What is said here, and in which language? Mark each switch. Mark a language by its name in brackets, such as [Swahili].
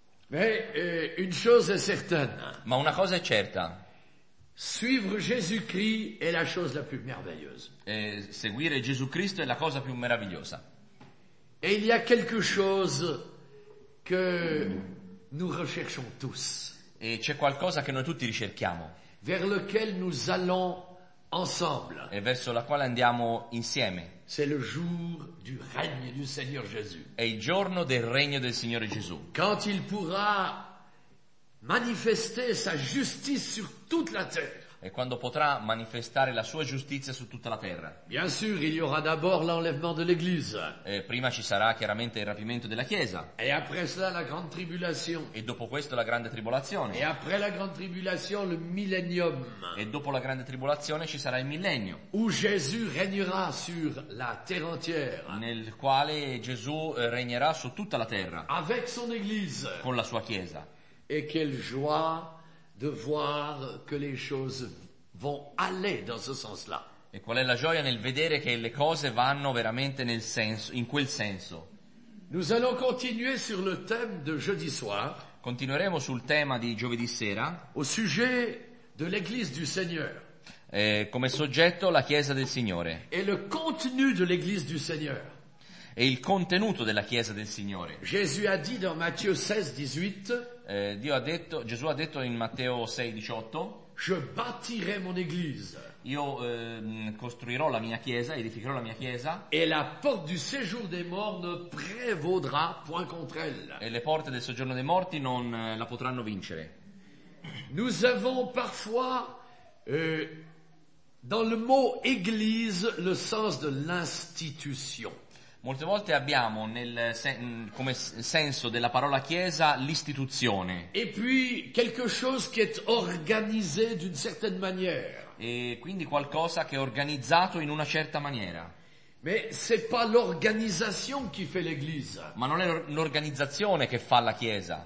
[French] Mais une chose est certaine. [Italian] Ma una cosa è certa. [French] Suivre Jésus-Christ est la chose la plus merveilleuse. Et [Italian] seguire Gesù Cristo è la cosa più meravigliosa. [French] Et il y a quelque chose que nous recherchons tous. [Italian] E c'è qualcosa che noi tutti ricerchiamo. [French] Vers lequel nous allons ensemble. [Italian] E verso la quale andiamo insieme. [French] C'est le jour du règne du Seigneur Jésus. [Italian] È il giorno del regno del Signore Gesù. [French] Quand il pourra manifester sa justice sur toute la terre. [Italian] E quando potrà manifestare la sua giustizia su tutta la terra. [French] Bien sûr, il y aura d'abord l'enlèvement de l'église. [Italian] E prima ci sarà chiaramente il rapimento della chiesa. [French] Et après cela la grande tribulation. [Italian] E dopo questo la grande tribolazione. [French] Et après la grande tribulation le millennium. [Italian] E dopo la grande tribolazione ci sarà il millennio. [French] Où Jésus régnera sur la terre entière. [Italian] Nel quale Gesù regnerà su tutta la terra. [French] Avec son église. [Italian] Con la sua chiesa. [French] Et quelle joie de voir que les choses vont aller dans ce sens-là. [Italian] E qual è la gioia nel vedere che le cose vanno veramente nel senso, in quel senso. [French] Nous allons continuer sur le thème de jeudi soir. [Italian] Continueremo sul tema di giovedì sera. [French] Au sujet de l'église du Seigneur. [Italian] Come soggetto la chiesa del Signore. [French] Et le contenu de l'église du Seigneur. [Italian] E il contenuto della chiesa del Signore. Gesù ha detto in Matteo 16:18. Dio ha detto, Gesù ha detto in Matteo 6:18. [French] Je bâtirai mon église. [Italian] Io costruirò la mia chiesa, edificherò la mia chiesa. [French] Et la porte du séjour des morts ne prévaudra point contre elle. [Italian] E le porte del soggiorno dei morti non la potranno vincere. [French] Nous avons parfois dans le mot église le sens de l'institution. [Italian] Molte volte abbiamo come senso della parola chiesa l'istituzione. [French] Et puis quelque chose qui est organisé d'une certaine manière. [Italian] E quindi qualcosa che è organizzato in una certa maniera. [French] Mais c'est pas l'organisation qui fait l'église. [Italian] Ma non è l'organizzazione che fa la chiesa.